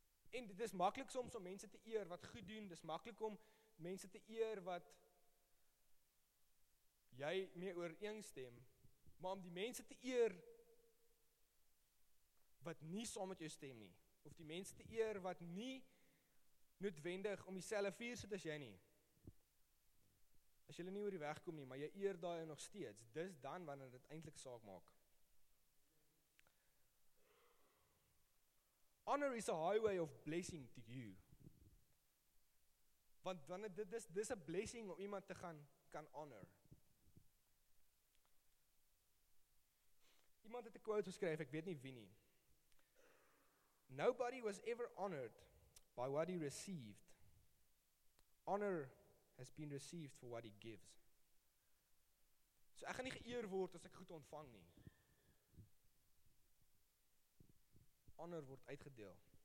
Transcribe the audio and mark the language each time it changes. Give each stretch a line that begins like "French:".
Afrikaans: En dit is maklik soms om mense te eer wat goed doen, dis maklik om mense te eer wat jy mee ooreenstem, maar om die mense te eer wat nie saam met jou stem nie, of die mense te eer wat nie noodwendig om dieselfde vuur sit as jy nie. As jy nie oor die weg kom nie, maar jy eer daai nog steeds, dis dan wanneer dit eintlik saak maak.
English: Honor is a highway of blessing to you.
Afrikaans: Want wanneer dis 'n blessing om iemand te gaan kan honor. Iemand het 'n quote geskryf, ek weet nie wie nie.
English: Nobody was ever honored by what he received. Honor has been received for what he gives.
Afrikaans: So ek gaan nie geëer word as ek goed ontvang nie. Honor word uitgedeel.